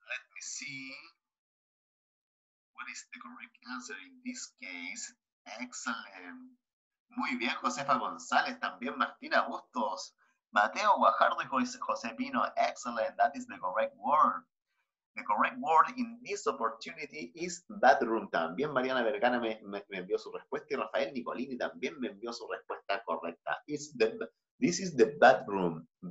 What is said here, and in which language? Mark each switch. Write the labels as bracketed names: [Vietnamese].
[English] What is the correct answer in this case? Excellent. [Spanish] Muy bien, Josefa González, también Martina Bustos, Mateo Guajardo y José Pino. [English] Excellent, that is the correct word. The correct word in this opportunity is bedroom. [Spanish] También Mariana Vergara me envió su respuesta y Rafael Nicolini también me envió su respuesta correcta. [English] This is the bedroom.